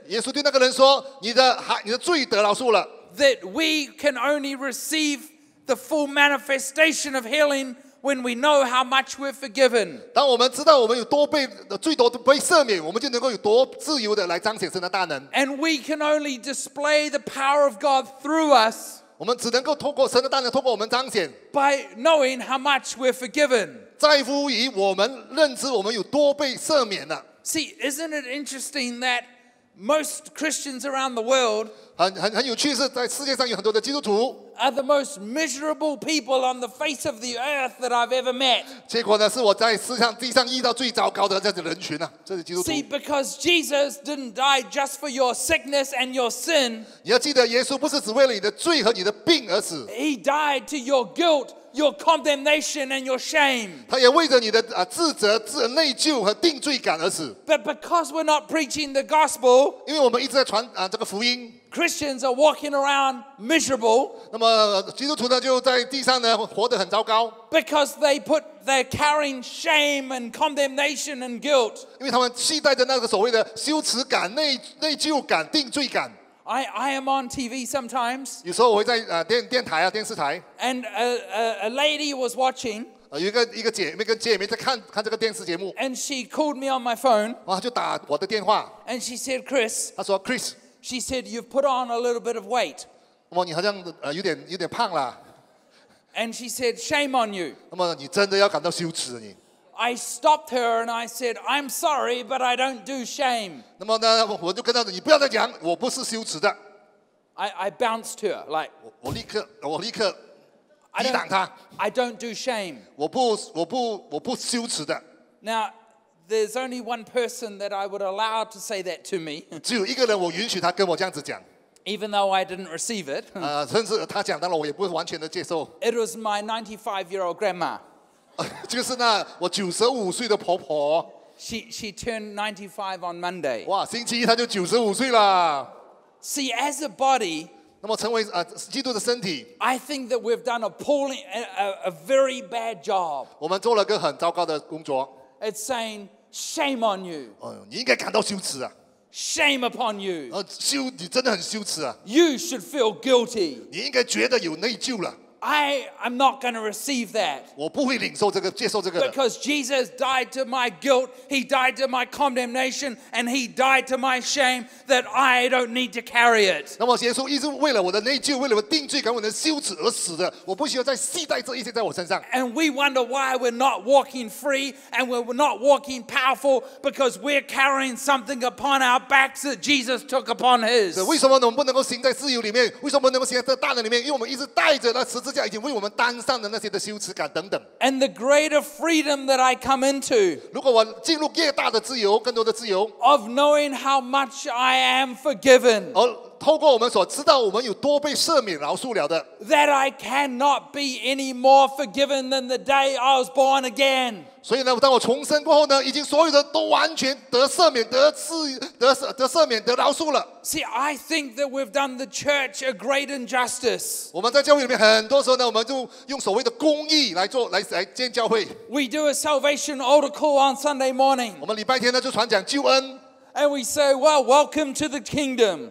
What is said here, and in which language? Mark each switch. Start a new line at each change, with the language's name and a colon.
Chinese: 耶稣对那个人说, 你的罪得饶恕了。
English: That we can only receive the full manifestation of healing when we know how much we're forgiven.
Chinese: 当我们知道我们有多被罪都被赦免，我们就能够有多自由的来彰显神的大能。
English: And we can only display the power of God through us.
Chinese: 我们只能够透过神的大能透过我们彰显。
English: By knowing how much we're forgiven.
Chinese: 在乎于我们认知我们有多被赦免了。
English: See, isn't it interesting that most Christians around the world are the most miserable people on the face of the earth that I've ever met? See, because Jesus didn't die just for your sickness and your sin. He died to your guilt your condemnation and your shame.
Chinese: 他也为着你的自责、自内疚和定罪感而死。
English: But because we're not preaching the gospel,
Chinese: 因为我们一直在传这个福音。
English: Christians are walking around miserable.
Chinese: 那么基督徒呢，就在地上呢，活得很糟糕。
English: Because they're carrying shame and condemnation and guilt.
Chinese: 因为他们期待着那个所谓的羞耻感、内疚感、定罪感。
English: I am on TV sometimes.
Chinese: 有时候我会在电台啊电视台。
English: And a lady was watching.
Chinese: 有一个姐妹在看这个电视节目。
English: And she called me on my phone.
Chinese: 哇，就打我的电话。
English: And she said, Chris.
Chinese: 她说 Chris.
English: She said you've put on a little bit of weight.
Chinese: 哇，你好像有点胖了。
English: And she said, shame on you.
Chinese: 那么你真的要感到羞耻你。
English: I stopped her and I said, I'm sorry, but I don't do shame.
Chinese: 那么呢，我就跟她说，你不要再讲，我不是羞耻的。
English: I bounced her, like.
Chinese: 我立刻抵挡她。
English: I don't do shame.
Chinese: 我不羞耻的。
English: Now, there's only one person that I would allow to say that to me.
Chinese: 只有一个人，我允许他跟我这样子讲。
English: Even though I didn't receive it.
Chinese: 甚至他讲到了，我也不完全的接受。
English: It was my 95-year-old grandma.
Chinese: 就是那我九十五岁的婆婆。
English: She turned 95 on Monday.
Chinese: 哇，星期一她就九十五岁了。
English: See, as a body,
Chinese: 那么成为基督的身体。
English: I think that we've done a very bad job.
Chinese: 我们做了个很糟糕的工作。
English: It's saying shame on you.
Chinese: 你应该感到羞耻啊。
English: Shame upon you.
Chinese: 你真的很羞耻啊。
English: You should feel guilty.
Chinese: 你应该觉得有内疚了。
English: I'm not going to receive that.
Chinese: 我不会领受这个，接受这个的。
English: Because Jesus died to my guilt, He died to my condemnation, and He died to my shame that I don't need to carry it.
Chinese: 那么耶稣一直为了我的内疚，为了我的定罪感，我的羞耻而死的，我不需要再携带这一切在我身上。
English: And we wonder why we're not walking free and we're not walking powerful because we're carrying something upon our backs that Jesus took upon His.
Chinese: 为什么我们不能够行在自由里面？为什么不能够行在这大能里面？因为我们一直带着那十字架已经为我们担上的那些的羞耻感等等。
English: And the greater freedom that I come into,
Chinese: 如果我进入越大的自由，更多的自由
English: ，of knowing how much I am forgiven,
Chinese: 而透过我们所知道我们有多被赦免饶恕了的
English: ，that I cannot be any more forgiven than the day I was born again.
Chinese: 所以呢，当我重生过后呢，已经所有的都完全得赦免、得赦免、得饶恕了。
English: See, I think that we've done the church a great injustice.
Chinese: 我们在教会里面很多时候呢，我们就用所谓的公义来建教会。
English: We do a salvation oracle on Sunday morning.
Chinese: 我们礼拜天呢就传讲救恩。
English: And we say, "Well, welcome to the kingdom."